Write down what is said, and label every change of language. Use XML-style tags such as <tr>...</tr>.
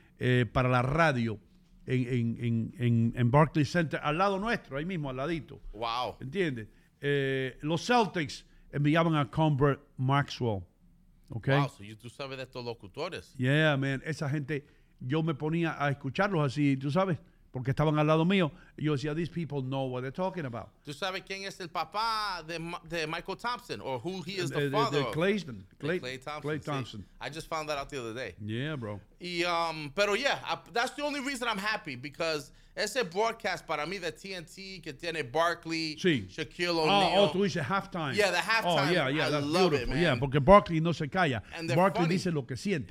<es>Para la radio en Barclays Center, al lado nuestro, ahí mismo, al ladito.</es> <en>Wow.</en> <es>¿Entiendes? Los Celtics enviaban a Convert Maxwell. Okay.</es> <en>Wow, so</en> <es>tú sabes de estos locutores.</es> <en>Yeah, man.</en> <es>Esa gente, yo me ponía a escucharlos así, tú sabes, porque estaban al lado mío. Yo decía,</es> <en>these people know what they're talking about.</en> <es>¿Tú sabes quién es el papá de Michael Thompson?</es> <en>Or who he is the father of? Clay Thompson. See, I just found that out the other day. Yeah, bro. That's the only reason I'm happy, because</en> <es>ese broadcast para mí de TNT que tiene Barkley, sí. Shaquille O'Neal. Oh, tú dices halftime.</es> <en>Yeah, the halftime. Oh, yeah, I that's love beautiful. It, man.</en> <es>Yeah, porque Barkley no se calla. Barkley dice lo que siente.</es>